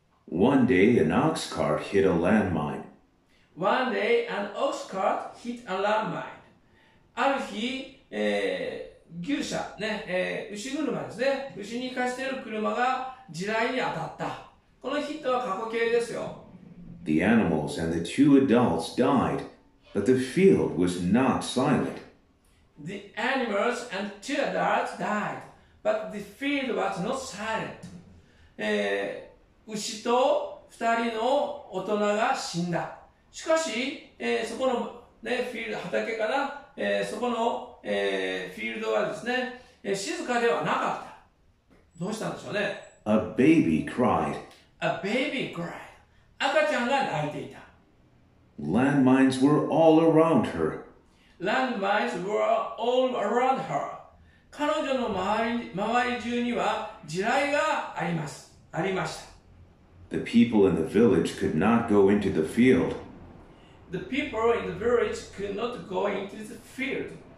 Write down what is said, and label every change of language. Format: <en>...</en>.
<en>One day, an ox cart hit a landmine. One day, an ox cart hit a landmine.</en> <ja>ある日、牛車、ね、牛車ですね。牛に貸している車が地雷に当たった。このヒットは過去形ですよ。</ja> <en>The animals and the two adults died, but the field was not silent. The animals and two adults died, but the field was not silent.</en> <ja>牛と、二人の大人が死んだ。しかし、そこの、ね、フィールド、畑から、そこの、フィールドはですね、静かではなかった。どうしたんでしょうね。</ja> <en>A baby cried. A baby cried.</en> <ja>赤ちゃんが泣いていた。</ja> <en>Landmines were all around her. Landmines were all around her.</en> <ja>彼女の周り中には地雷がありました。</ja> <en>The people in the village could not go into the field. The people in the village could not go into the field.</en>